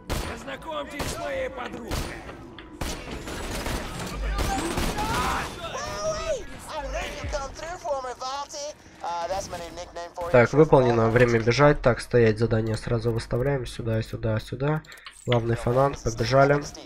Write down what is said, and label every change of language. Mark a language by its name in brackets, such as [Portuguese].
[Russian] Познакомьтесь с моей подругой. [English] Come through for me, Valty. [Russian] Так, выполнено. Время бежать. Так, стоять. Задание сразу выставляем. Сюда, сюда, сюда. Главный фанат. Побежали.